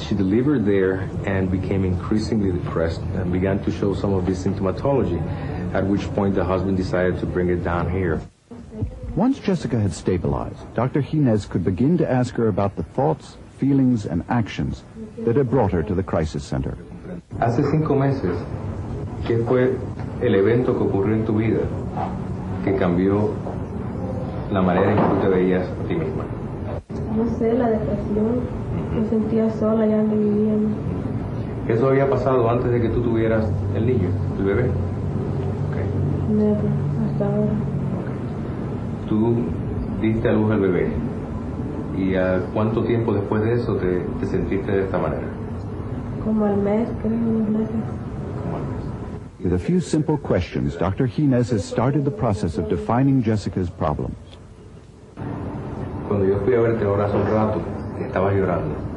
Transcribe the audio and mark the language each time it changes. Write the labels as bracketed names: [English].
[English] She delivered there and became increasingly depressed and began to show some of this symptomatology, at which point the husband decided to bring it down here. Once Jessica had stabilized, Dr. Jimenez could begin to ask her about the thoughts, feelings, and actions that had brought her to the crisis center. [Spanish] Hace cinco meses, ¿qué fue el evento que ocurrió en tu vida que cambió la manera en que te veías a ti misma? No sé, la depresión. Me sentía sola ya donde vivía. ¿Eso había pasado antes de que tú tuvieras el niño, el bebé? Okay. [English] Never, [Spanish] hasta ahora. Okay. Tú diste a luz al bebé. ¿Y a cuánto tiempo después de eso te sentiste de esta manera? Como al mes, creo, unos meses. [English] With a few simple questions, Dr. Jimenez has started the process of defining Jessica's problems. [Spanish] Cuando yo fui a verte ahora hace un rato, estabas llorando.